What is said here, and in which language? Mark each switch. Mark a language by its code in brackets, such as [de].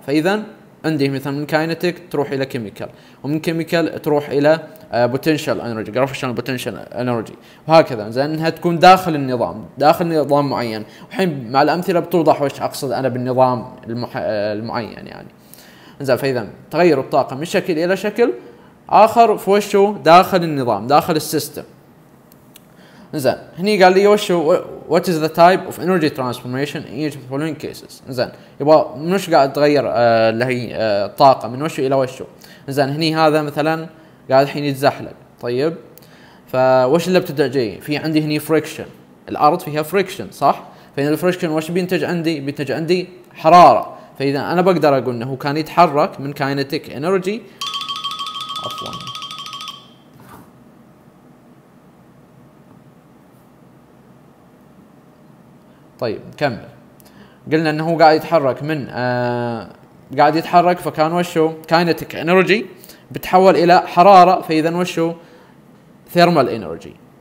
[ar] فاذا عندي مثلا من كاينتيك تروح الى كيميكال، ومن كيميكال تروح الى بوتنشال انرجي، جرافيشنال بوتنشال انرجي، وهكذا. زين، انها تكون داخل النظام، داخل نظام معين. الحين مع الامثله بتوضح وش اقصد انا بالنظام المعين يعني. زين، فاذا تغير الطاقه من شكل الى شكل اخر، في وشو داخل النظام، داخل السيستم. زين، هني قال لي وشو [en] what is the type of energy transformation in each of the following cases. [ar] زين، يبغى من وش قاعد تغير اللي هي الطاقه، من وشو الى وشو. زين، هني هذا مثلا قاعد الحين يتزحلق. طيب، فوش اللي بتبدا جاي في عندي هني فريكشن، الارض فيها فريكشن صح؟ فان الفريكشن وش بينتج عندي؟ بينتج عندي حراره. فاذا انا بقدر اقول انه كان يتحرك من كاينتيك انرجي، عفوا طيب نكمل، قلنا انه هو قاعد يتحرك من قاعد يتحرك، فكان وشو كاينتيك انرجي بتحول الى حراره، فاذا وشو ثيرمال انرجي.